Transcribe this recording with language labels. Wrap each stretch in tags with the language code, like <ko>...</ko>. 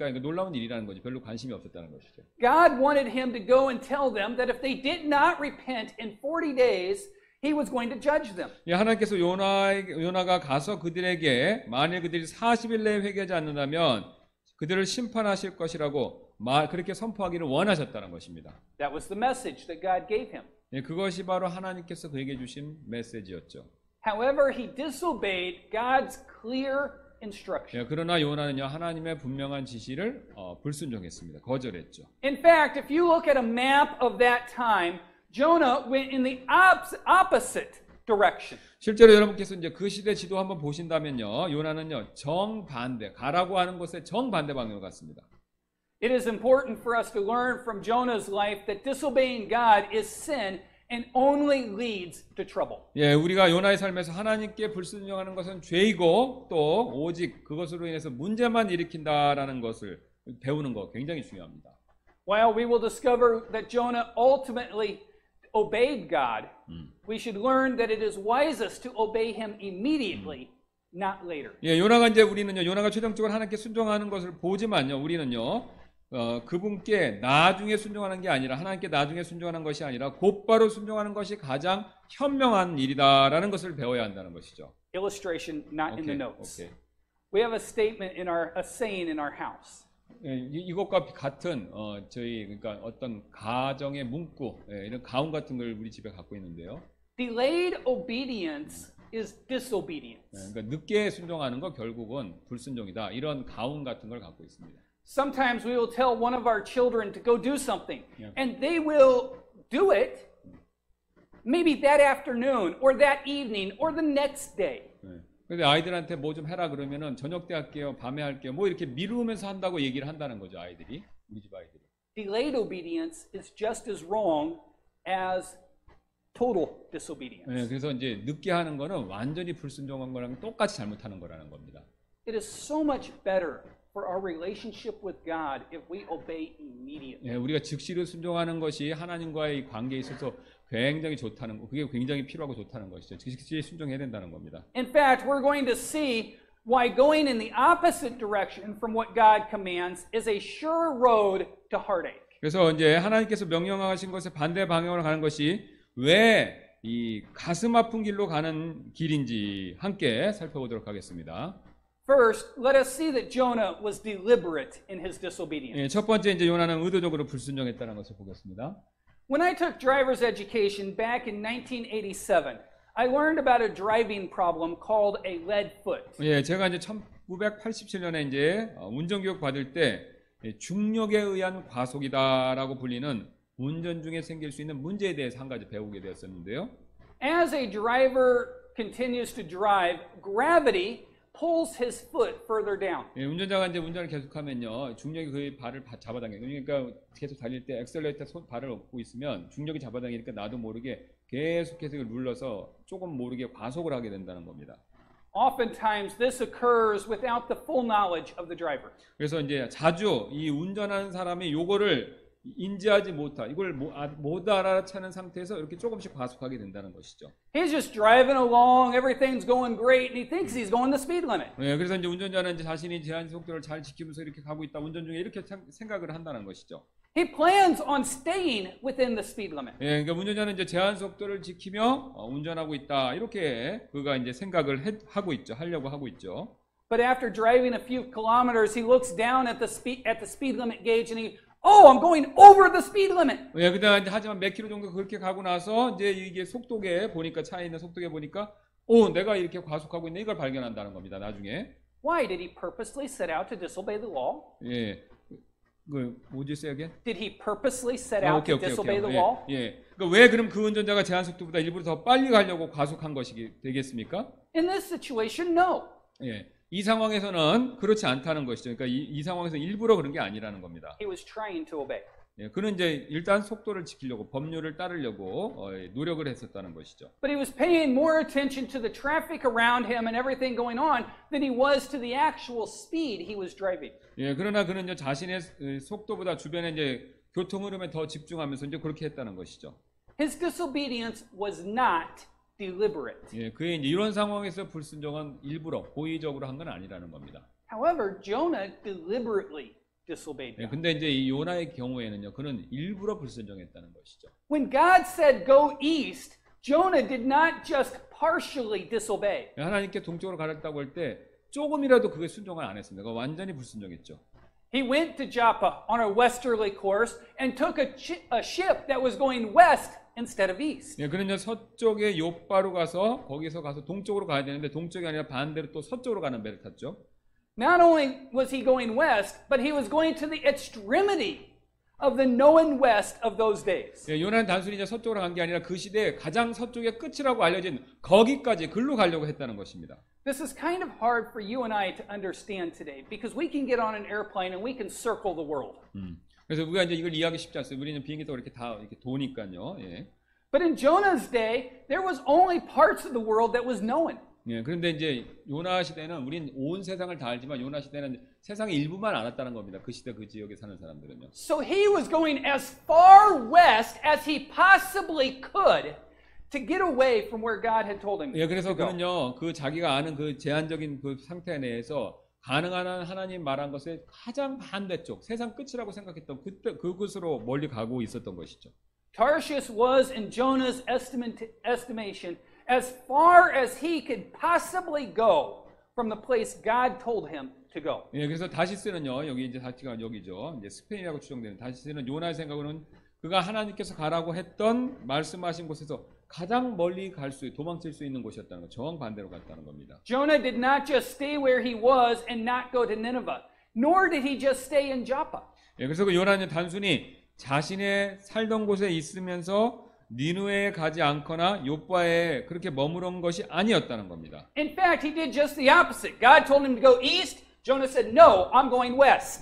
<ko>그러니까 놀라운 일이라는 거지. 별로 관심이 없었다는 것이죠.</ko> <en>God wanted him to go and tell them that if they did not repent in 40 days, he was going to judge them.</en> <ko>예, 하나님께서 요나가 가서 그들에게 만일 그들이 40일 내에 회개하지 않는다면 그들을 심판하실 것이라고 그렇게 선포하기를 원하셨다는 것입니다.</ko> <en>That was the message that God gave him.</en> <ko>예, 그것이 바로 하나님께서 그에게 주신 메시지였죠.</ko> <en>However, he disobeyed God's clear instruction.</en> <ko>예, 그러나 요나는요 하나님의 분명한 지시를 불순종했습니다. 거절했죠.</ko> <en>In fact, if you look at a map of that time, Jonah went in the opposite direction.</en> <ko>실제로 여러분께서 이제 그 시대 지도 한번 보신다면요, 요나는요 정반대, 가라고 하는 곳에 정반대 방향으로 갔습니다.</ko> <en>It is important for us to learn from Jonah's life that disobeying God is sin. And only leads to trouble.</en> <ko>예, 우리가 요나의 삶에서 하나님께 불순종하는 것은 죄이고 또 오직 그것으로 인해서 문제만 일으킨다라는 것을 배우는 것 굉장히 중요합니다.</ko> <en>While we will discover that Jonah ultimately obeyed God, we should learn that it is wisest to obey Him immediately, not later.</en> <ko>예, 요나가 이제 우리는요, 요나가 최종적으로 하나님께 순종하는 것을 보지만요, 우리는요. 그분께 나중에 순종하는 게 아니라 하나님께 나중에 순종하는 것이 아니라 곧바로 순종하는 것이 가장 현명한 일이다라는 것을 배워야 한다는 것이죠.</ko> <en>Illustration not okay, in the notes. Okay. We have a statement in our a saying in our house.</en> <ko>이것과 같은 저희 그러니까 어떤 가정의 문구 이런 가훈 같은 걸 우리 집에 갖고 있는데요.</ko> <en>Delayed obedience is disobedience.</en> <ko>그러니까 늦게 순종하는 거 결국은 불순종이다. 이런 가훈 같은 걸 갖고 있습니다.</ko> <en>Sometimes we will tell one of our children to go do something, and they will do it maybe that afternoon or that evening or the next day.</en> <ko>근데 아이들한테 뭐 좀 해라 그러면은 저녁 때 할게요, 밤에 할게요, 뭐 이렇게 미루면서 한다고 얘기를 한다는 거죠, 아이들이, 우리 집 아이들이.</ko> <en>Delayed obedience is just as wrong as total disobedience.</en> <ko>네, 그래서 이제 늦게 하는 거는 완전히 불순종한 거랑 똑같이 잘못하는 거라는 겁니다.</ko> <en>It is so much better for our relationship with God if we obey immediately.</en> <ko>네, 우리가 즉시로 순종하는 것이 하나님과의 관계에 있어서 굉장히 좋다는 거, 그게 굉장히 필요하고 좋다는 것이죠. 즉시 순종해야 된다는 겁니다.</ko> <en>In fact, we're going to see why going in the opposite direction from what God commands is a sure road to heartache.</en> <ko>그래서 이제 하나님께서 명령하신 것에 반대 방향으로 가는 것이 왜 이 가슴 아픈 길로 가는 길인지 함께 살펴보도록 하겠습니다.</ko> <en>First, let us see that Jonah was deliberate in his disobedience.</en> <ko>네, 첫 번째 이제 요나는 의도적으로 불순종했다는 것을 보겠습니다.</ko> <en>When I took driver's education back in 1987, I learned about a driving problem called a lead foot.</en> <ko>예, 제가 이제 1987년에 이제 운전 교육 받을 때 중력에 의한 과속이다라고 불리는 운전 중에 생길 수 있는 문제에 대해서 한 가지 배우게 되었었는데요.</ko> <en>As a driver continues to drive, gravity pulls his foot further down.</en> <ko>예, 운전자가 이제 운전을 계속하면요, 중력이 그의 발을 잡아당겨요. 그러니까 계속 달릴 때 엑셀레이터 발을 얻고 있으면 중력이 잡아당기니까 나도 모르게 계속해서 눌러서 조금 모르게 과속을 하게 된다는 겁니다.</ko> <en>Oftentimes this occurs without the full knowledge of the driver.</en> <ko>그래서 이제 자주 이 운전하는 사람이 요거를 인지하지 못하, 이걸 못 알아차는 상태에서 이렇게 조금씩 과속하게 된다는 것이죠.</ko> <en>He's just driving along, everything's going great, and he thinks he's going the speed limit.</en> <ko>네, 그래서 이제 운전자는 이제 자신이 제한 속도를 잘 지키면서 이렇게 가고 있다, 운전 중에 이렇게 생각을 한다는 것이죠.</ko> <en>He plans on staying within the speed limit.</en> <ko>예, 네, 그러니까 운전자는 이제 제한 속도를 지키며 운전하고 있다, 이렇게 그가 이제 생각을 하고 있죠, 하려고 하고 있죠.</ko> <en>But after driving a few kilometers, he looks down at the speed limit gauge, and he Oh, I'm going over the speed limit.</en> <ko>예, 그다음에 하지만 몇 킬로 정도 그렇게 가고 나서 이제 이게 속도계 보니까 차에 있는 속도계 보니까 오, 내가 이렇게 과속하고 있네 이걸 발견한다는 겁니다. 나중에.</ko> <en>Why did he purposely set out to disobey the law?</en> <ko>예. 그 뭐지</ko> <en>say again? Did he purposely set out to disobey the law?</en> <ko>예. 예. 그러니까 왜 그럼 그 운전자가 제한 속도보다 일부러 더 빨리 가려고 과속한 것이 되겠습니까?</ko> <en>In this situation, no.</en> <ko>예. 이 상황에서는 그렇지 않다는 것이죠. 그러니까 이 상황에서 일부러 그런 게 아니라는 겁니다.</ko> <en>He was trying to obey.</en> <ko>예, 그는 이제 일단 속도를 지키려고 법률을 따르려고 노력을 했었다는 것이죠.</ko> <en>But he was paying more attention to the traffic around him and everything going on than he was to the actual speed he was driving.</en> <ko>예, 그러나 그는 이제 자신의 속도보다 주변의 이제 교통 흐름에 더 집중하면서 이제 그렇게 했다는 것이죠.</ko> <en>His disobedience was not deliberate.</en> <ko>예, 그의 이제 이런 상황에서 불순종은 일부러 고의적으로 한 건 아니라는 겁니다.</ko> <en>However, Jonah deliberately disobeyed.</en> <ko>예, 근데 이제 이 요나의 경우에는요. 그는 일부러 불순종했다는 것이죠.</ko> <en>When God said go east, Jonah did not just partially disobey.</en> <ko>예, 하나님께 동쪽으로 가라고 할 때 조금이라도 그게 순종을 안 했습니다. 그 완전히 불순종했죠.</ko> <en>He went to Joppa on a westerly course and took a ship that was going west instead of east.</en> <ko>예, 그는 서쪽에 요파로 가서 거기서 가서 동쪽으로 가야 되는데 동쪽이 아니라 반대로 또 서쪽으로 가는 배를 탔죠.</ko> <en>Not only was he going west, but he was going to the extremity of the known west of those days.</en> <ko>예, 요나는 단순히 이제 서쪽으로 간 게 아니라 그 시대에 가장 서쪽의 끝이라고 알려진 거기까지 글로 가려고 했다는 것입니다.</ko> <en>This is kind of hard for you and I to understand today because we can get on an airplane and we can circle the world.</en> <ko>그래서 우리가 이제 이걸 이해하기 쉽지 않습니다. 우리는 비행기 타고 이렇게 다 이렇게 도니까요. 예.</ko> <en>But in Jonah's day, there was only parts of the world that was known.</en> <ko>예, 그런데 이제 요나 시대는 우린 온 세상을 다 알지만 요나 시대는 세상의 일부만 알았다는 겁니다. 그 시대 그 지역에 사는 사람들은요.</ko> <en>So he was going as far west as he possibly could to get away from where God had told him.</en> <ko>예, 그래서 그는요. 그 자기가 아는 그 제한적인 그 상태 내에서 가능한 하나님 말한 것의 가장 반대쪽 세상 끝이라고 생각했던 그때 그곳으로 멀리 가고 있었던 것이죠.</ko> <en>Tarshish was in Jonah's estimation as far as he could possibly go from the place God told him to go.</en> <ko>예, 그래서 다시스는요. 여기 이제 다시가 여기죠. 이제 스페인이라고 추정되는 다시스는 요나의 생각으로는 그가 하나님께서 가라고 했던 말씀하신 곳에서 가장 멀리 갈 수 도망칠 수 있는 곳이었다는 거 정반대로 갔다는 겁니다.</ko> <en>Jonah did not just stay where he was and not go to Nineveh. Nor did he just stay in Joppa.</en> <ko>예, 그래서 그 요나는 단순히 자신의 살던 곳에 있으면서 니느웨에 가지 않거나 욥바에 그렇게 머무른 것이 아니었다는 겁니다.</ko> <en>In fact, he did just the opposite. God told him to go east. Jonah said, "No, I'm going west."</en>